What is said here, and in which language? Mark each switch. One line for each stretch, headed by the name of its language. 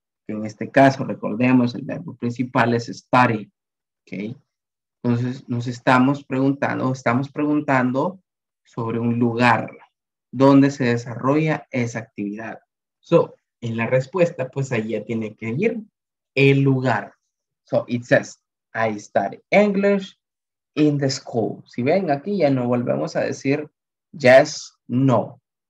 Spanish: En este caso, recordemos, el verbo principal es study, ¿ok? Entonces, nos estamos preguntando sobre un lugar donde se desarrolla esa actividad. So, en la respuesta, pues ahí ya tiene que ir el lugar.
English: So, it says, I study English in the school.
Spanish: Si ven, aquí ya no volvemos a decir yes, no.